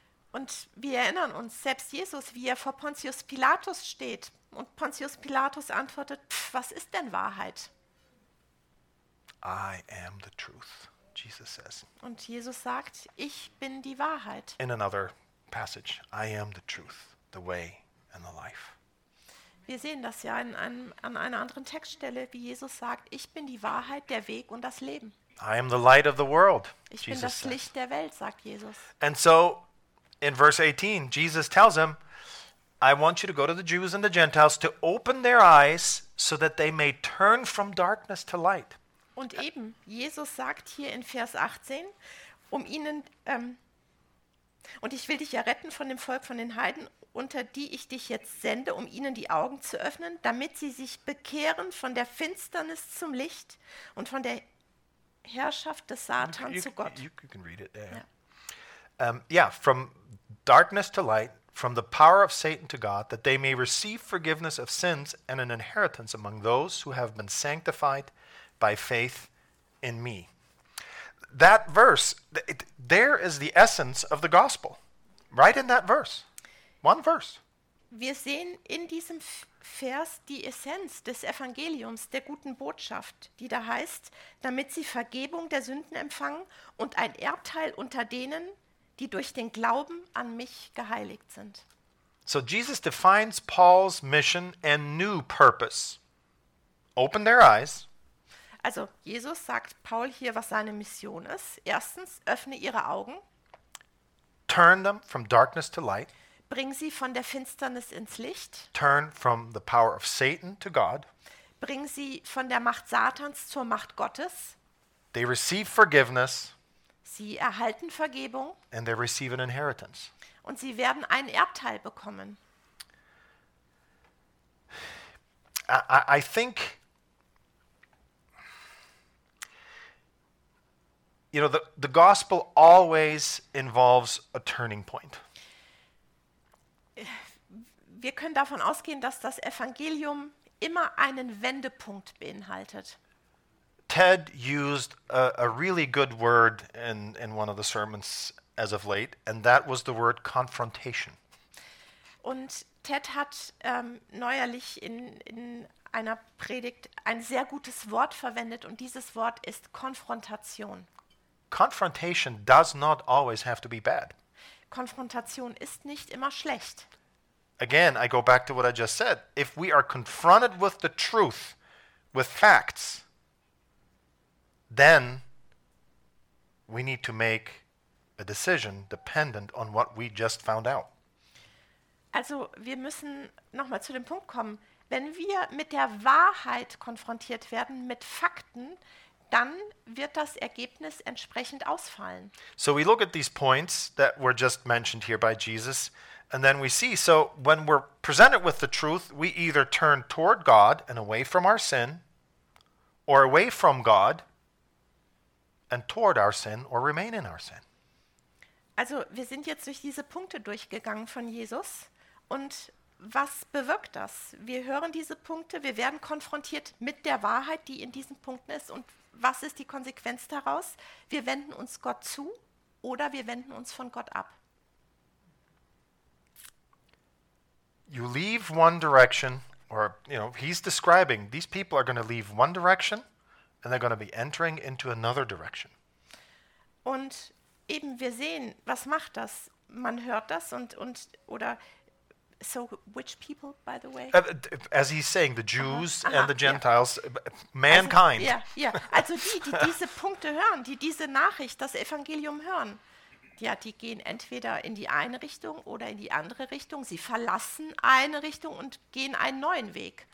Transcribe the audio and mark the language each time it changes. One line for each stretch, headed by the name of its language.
German: Und wir erinnern uns, selbst Jesus, wie er vor Pontius Pilatus steht, und Pontius Pilatus antwortet, was ist denn Wahrheit?
English: I am the truth, Jesus says.
German: Und Jesus sagt, ich bin die Wahrheit.
English: In another passage, I am the truth, the way, and the life.
German: Wir sehen das ja an einer anderen Textstelle, wie Jesus sagt, ich bin die Wahrheit, der Weg und das Leben.
English: I am the light of the world,
German: ich bin das Licht der Welt, sagt Jesus.
English: And so, in verse 18, Jesus tells him, I want you to go to the Jews and the Gentiles to open their eyes so that they may turn from darkness to light.
German: Und eben, Jesus sagt hier in Vers 18, um ihnen, und ich will dich ja retten von dem Volk von den Heiden, unter die ich dich jetzt sende, um ihnen die Augen zu öffnen, damit sie sich bekehren von der Finsternis zum Licht und von der Herrschaft des Satans zu Gott.
English: You can read it there. From darkness to light, from the power of Satan to God, that they may receive forgiveness of sins and an inheritance among those who have been sanctified by faith in me. That verse, there is the essence of the gospel, right in that verse. One verse.
German: Wir sehen in diesem Vers die Essenz des Evangeliums, der guten Botschaft, die da heißt, damit sie Vergebung der Sünden empfangen und ein Erbteil unter denen, die durch den Glauben an mich geheiligt sind.
English: So Jesus defines Paul's mission and new purpose. Open their eyes.
German: Also Jesus sagt Paul hier, was seine Mission ist. Erstens, öffne ihre Augen.
English: Turn them from darkness to light.
German: Bring sie von der Finsternis ins Licht.
English: Turn from the power of Satan to God.
German: Bring sie von der Macht Satans zur Macht Gottes.
English: They receive forgiveness.
German: Sie erhalten Vergebung.
English: And they receive an inheritance.
German: Und sie werden einen Erbteil bekommen.
English: I think, you know, the gospel always involves a turning point.
German: Wir können davon ausgehen, dass das Evangelium immer einen Wendepunkt beinhaltet.
English: Ted used a really good word in one of the sermons as of late, and that was the word confrontation.
German: Und Ted hat neuerlich in einer Predigt ein sehr gutes Wort verwendet, und dieses Wort ist Konfrontation.
English: Confrontation does not always have to be bad.
German: Konfrontation ist nicht immer schlecht.
English: Again, I go back to what I just said. If we are confronted with the truth, with facts, then we need to make a decision dependent on what we just found out.
German: Also, wir müssen nochmal zu dem Punkt kommen. Wenn wir mit der Wahrheit konfrontiert werden, mit Fakten, dann wird das Ergebnis entsprechend ausfallen.
English: So we look at these points that were just mentioned here by Jesus, and then we see, so when we're presented with the truth, we either turn toward God and away from our sin, or away from God and toward our sin, or remain in our sin.
German: Also wir sind jetzt durch diese Punkte durchgegangen von Jesus, und was bewirkt das? Wir hören diese Punkte, wir werden konfrontiert mit der Wahrheit, die in diesen Punkten ist, und was ist die Konsequenz daraus? Wir wenden uns Gott zu oder wir wenden uns von Gott ab.
English: You leave one direction, or, you know, he's describing, these people are going to leave one direction and they're going to be entering into another direction.
German: Und eben, wir sehen, was macht das? Man hört das und oder,
English: so which people, by the way? As he's saying, the Jews and the Gentiles, mankind.
German: Ja, also, also die diese Punkte hören, die diese Nachricht, das Evangelium hören, ja, die gehen entweder in die eine Richtung oder in die andere Richtung. Sie verlassen eine Richtung und gehen einen neuen Weg.